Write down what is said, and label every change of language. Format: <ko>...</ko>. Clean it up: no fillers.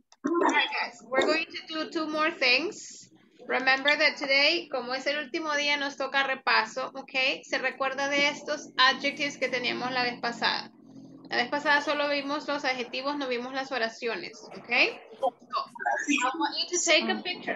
<en>All right, guys, we're going to do two more things. Remember that today,</en> <es>como es el último día, nos toca repaso, ¿ok? Se recuerda de estos adjectives que teníamos la vez pasada. La vez pasada solo vimos los adjetivos, no vimos las oraciones, ¿ok?</es> <en>So, I want you to take a picture.</en>